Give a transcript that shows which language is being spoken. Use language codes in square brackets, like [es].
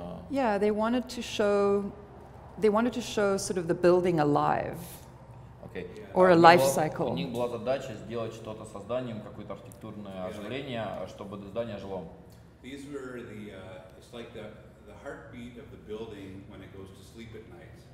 [en] They wanted to show sort of the building alive. Okay. Or a life cycle. [ru] У них была задача сделать что-то со зданием, какое-то архитектурное оживление, чтобы здание жило. [en] These were the, it's like the heartbeat of the building when it goes to sleep at night.